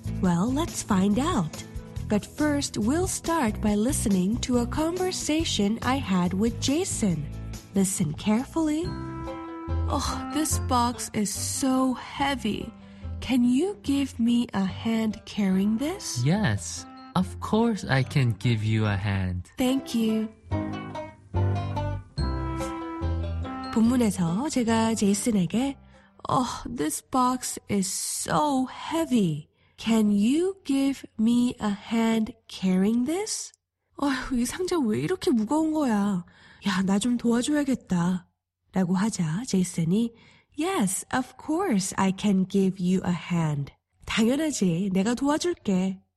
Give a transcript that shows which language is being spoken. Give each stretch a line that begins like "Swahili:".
English: Well, let's find out. But first, we'll start by listening to a conversation I had with Jason. Listen carefully. Oh, this box is so heavy. Can you give me a hand carrying this? Yes, of course I can give you a hand. Thank you.
Korean: 본문에서 제가 제이슨에게
English: Oh, this box is so heavy. Can you give me a hand carrying this?
Korean: 아휴, 이 상자 왜 이렇게 무거운 거야? 야, 나 좀 도와줘야겠다. 라고 하자 제이슨이
English: Yes, of course I can give you a hand.
Korean: 당연하지, 내가 도와줄게.